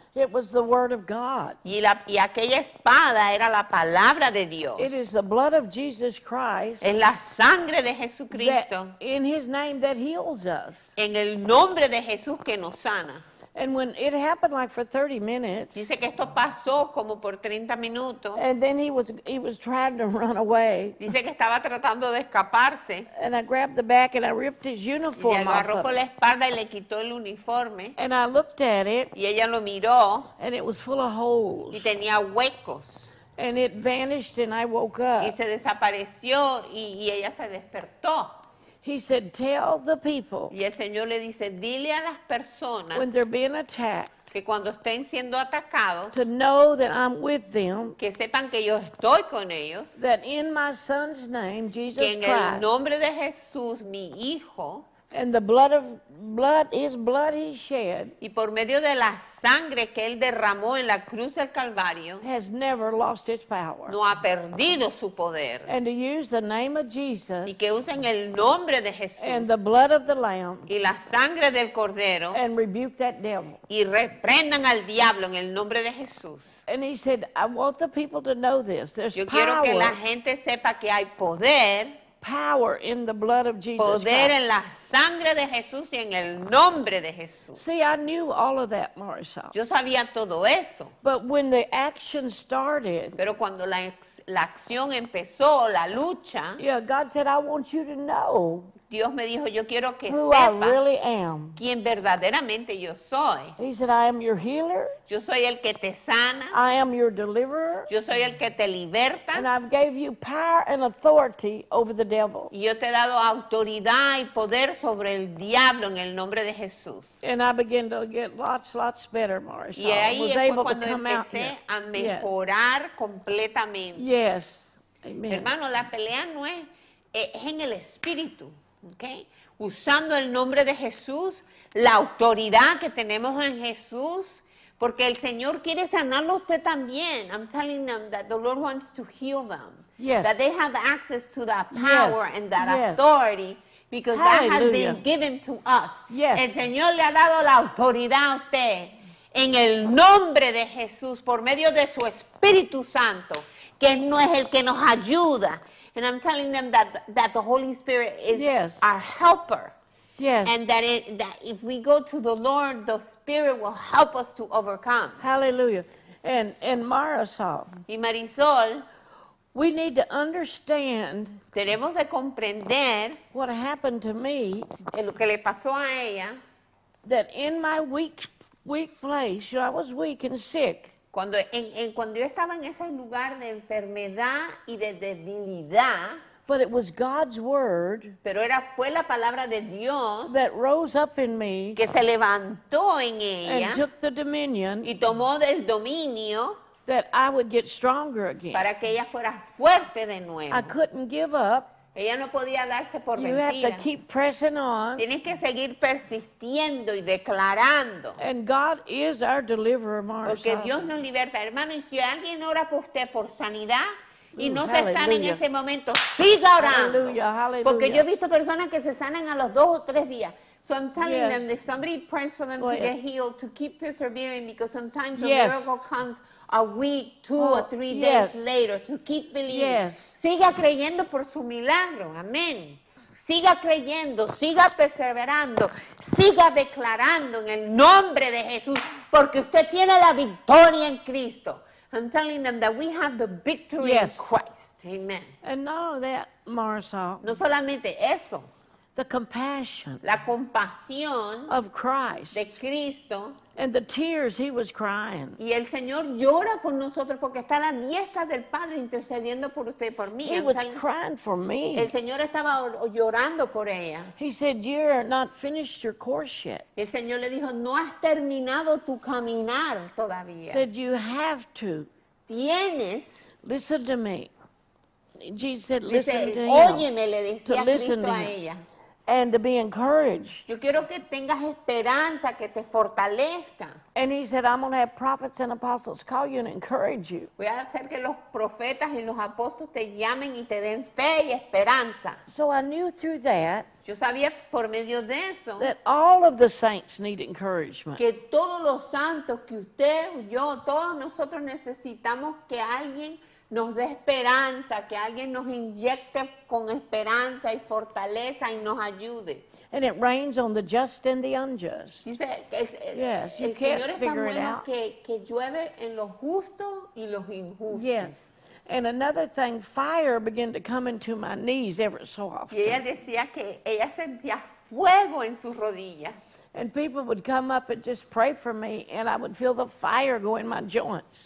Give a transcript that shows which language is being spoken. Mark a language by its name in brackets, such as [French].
[English] It was the word of God. [Spanish] Y aquella espada era la palabra de Dios. [English] It is the blood of Jesus Christ. [Spanish] En la sangre de Jesucristo. [English] In his name that heals us. [Spanish] En el nombre de Jesús que nos sana. [English] And when it happened like for 30 minutes. [Spanish] Dice que esto pasó como por 30 minutos. [English] And then he was trying to run away. [Spanish] Dice que estaba tratando de escaparse. [English] And I grabbed the back and I ripped his uniform off. [Spanish] Y agarró por la espalda y le quitó el uniforme. [English] And I looked at it. [Spanish] Y ella lo miró. [English] And it was full of holes. [Spanish] Y tenía huecos. [English] And it vanished and I woke up. [Spanish] Y se desapareció y ella se despertó. [English] He said, "Tell the people." [Spanish] Y el Señor le dice, dile a las personas. [English] When they're being attacked. [Spanish] Que cuando estén siendo atacados. [English] To know that I'm with them. [Spanish] Que sepan que yo estoy con ellos. [English] That in my son's name, Jesus Christ. [Spanish] Que en el nombre de Jesús, mi hijo. [English] And the blood he shed. [Spanish] Y por medio de la sangre que él derramó en la cruz del Calvario. [English] Has never lost its power. [Spanish] No ha perdido su poder. [English] And to use the name of Jesus. [Spanish] Y que usen el nombre de Jesús. [English] And the blood of the Lamb. [Spanish] Y la sangre del Cordero. [English] And rebuke that devil. [Spanish] Y reprendan al diablo en el nombre de Jesús. [English] And he said, I want the people to know this. There's power. [Spanish] Yo quiero que la gente sepa que hay poder. [English] Power in the blood of Jesus [Spanish] poder [English] Christ. [Spanish] Poder en la sangre de Jesús y en el nombre de Jesús. [English] See, I knew all of that, Marisa. [Spanish] Yo sabía todo eso. [English] But when the action started. [Spanish] Pero cuando la acción empezó, la lucha. [English] Yeah, God said, I want you to know. [Spanish] Dios me dijo, yo quiero que [English] who [Spanish] sepa [English] I really am. [Spanish] Quién verdaderamente yo soy. [English] He said, I am your healer. [Spanish] Yo soy el que te sana. [English] I am your deliverer. [Spanish] Yo soy el que te liberta. [English] And I've gave you power and authority over the devil. [Spanish] Y yo te he dado autoridad y poder sobre el diablo en el nombre de Jesús. [English] And I began to get lots better, Marisa. [Spanish] Y ahí fue cuando empecé a mejorar completamente. [English] Yes. Amen. [Spanish] Hermano, la pelea no es en el espíritu. Okay. Usando el nombre de Jesús, la autoridad que tenemos en Jesús, porque el Señor quiere sanarlo usted también. [English] I'm telling them that the Lord wants to heal them. Yes. That they have access to that power yes. and that yes. authority because Hallelujah. That has been given to us. Yes. [Spanish] El Señor le ha dado la autoridad a usted en el nombre de Jesús por medio de su Espíritu Santo, que no es el que nos ayuda. [English] And I'm telling them that the Holy Spirit is yes. our helper. Yes. And that if we go to the Lord, the Spirit will help us to overcome. Hallelujah. And Marisol. [Spanish] Y Marisol. [English] We need to understand. [Spanish] Tenemos de comprender. [English] What happened to me. [Spanish] Lo que le pasó a ella. [English] That in my weak place, you know, I was weak and sick. [Spanish] Cuando yo estaba en ese lugar de enfermedad y de debilidad, [English] but it was God's word, [Spanish] pero fue la palabra de Dios [English] that rose up in me, [Spanish] que se levantó en ella, [English] and took the dominion, [Spanish] y tomó del dominio, [English] that I would get stronger again, [Spanish] para que ella fuera fuerte de nuevo. [English] I couldn't give up. [Spanish] Ella no podía darse por [English] you [Spanish] vencida. [English] Have to keep pressing on. [Spanish] Tienes que seguir persistiendo y declarando. [English] And God is our deliverer, Marisol. [Spanish] Porque Dios nos liberta, hermano. Y si alguien ora por usted por sanidad y ooh, no hallelujah. Se sana en ese momento, siga orando. Hallelujah, hallelujah. Porque yo he visto personas que se sanan a los dos o tres días. [English] So I'm telling yes. them, if somebody prays for them Boy, to get healed, to keep persevering, because sometimes yes. the miracle comes a week, two or three yes. days later, to keep believing. Yes. [Spanish] Siga creyendo por su milagro. Amén. Siga creyendo, siga perseverando, siga declarando en el nombre de Jesús, porque usted tiene la victoria en Cristo. [English] I'm telling them that we have the victory yes. in Christ. Amen. And not only that, Marisol. [Spanish] No solamente eso. [English] The compassion [Spanish] la compasión [English] of Christ. [Spanish] De Cristo. [English] And the tears he was crying. [Spanish] Y el Señor llora por nosotros porque está a la diestra del Padre intercediendo por usted y por mí. [English] He was crying for me. [Spanish] El Señor estaba llorando por ella. [English] He said, "You're not finished your course yet." [Spanish] El Señor le dijo, "No has terminado tu caminar todavía." [English] He said, "You have to." [Spanish] Tienes. [English] Listen to me. Jesus said, "Listen to him." [Spanish] Óyeme, le decía Cristo a ella. [English] And to be encouraged. [Spanish] Yo quiero que tengas esperanza, que te fortalezca. [English] And he said, "I'm going to have prophets and apostles call you and encourage you." [Spanish] Voy a hacer que los profetas y los apóstoles te llamen y te den fe y esperanza. [English] So I knew through that. [Spanish] Yo sabía por medio de eso. [English] That all of the saints need encouragement. [Spanish] Que todos los santos, que usted, yo, todos nosotros necesitamos que alguien nos dé esperanza, que alguien nos inyecte con esperanza y fortaleza y nos ayude. [English] And it rains on the just and the unjust. Yes, you can't figure it out. [Spanish] Que llueve en los justos y los injustos. [English] Yes. And another thing, fire began to come into my knees ever so often. [Spanish] Y ella decía que ella sentía fuego en sus rodillas. [English] And people would come up and just pray for me, and I would feel the fire go in my joints.